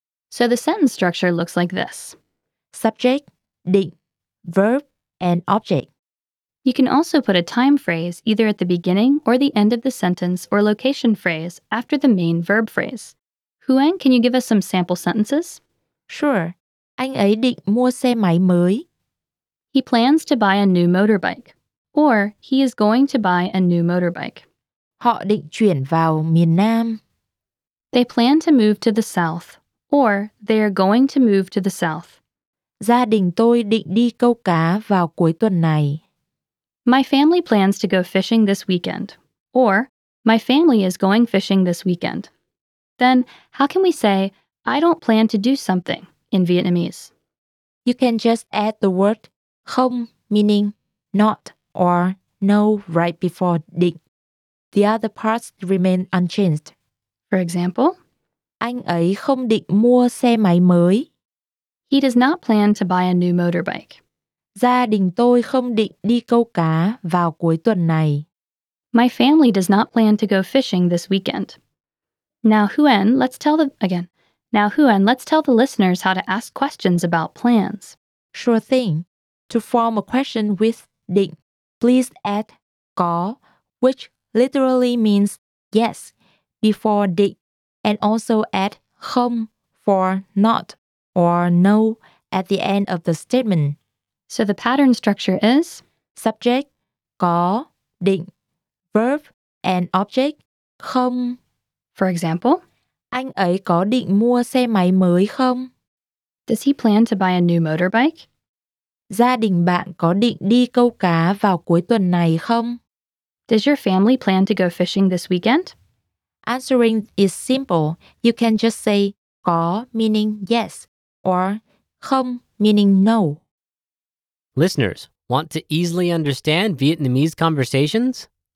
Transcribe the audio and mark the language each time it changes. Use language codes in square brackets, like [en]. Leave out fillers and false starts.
[en] So the sentence structure looks like this. Subject, định, verb, and object. You can also put a time phrase either at the beginning or the end of the sentence or location phrase after the main verb phrase. Huyen, can you give us some sample sentences? Sure. [vi] Anh ấy định mua xe máy mới. [en] He plans to buy a new motorbike. Or he is going to buy a new motorbike. [vi] Họ định chuyển vào miền Nam. [en] They plan to move to the south. Or they are going to move to the south. [vi] Gia đình tôi định đi câu cá vào cuối tuần này. [en] My family plans to go fishing this weekend. Or my family is going fishing this weekend. Then how can we say I don't plan to do something in Vietnamese? You can just add the word không, meaning not or no, right before định. The other parts remain unchanged. For example, [vi] anh ấy không định mua xe máy mới. [en] He does not plan to buy a new motorbike. [vi] Gia đình tôi không định đi câu cá vào cuối tuần này. [en] My family does not plan to go fishing this weekend. Now, Huyen, let's tell the again. Now, Huyen, let's tell the listeners how to ask questions about plans. Sure thing. To form a question with định, please add có, which literally means yes, before định, and also add không for not or no at the end of the statement. So the pattern structure is subject, có, định, verb, and object, không. For example, [vi] anh ấy có định mua xe máy mới không? [en] Does he plan to buy a new motorbike? [vi] Gia đình bạn có định đi câu cá vào cuối tuần này không? [en] Does your family plan to go fishing this weekend? Answering is simple. You can just say có meaning yes or không meaning no. Listeners, want to easily understand Vietnamese conversations?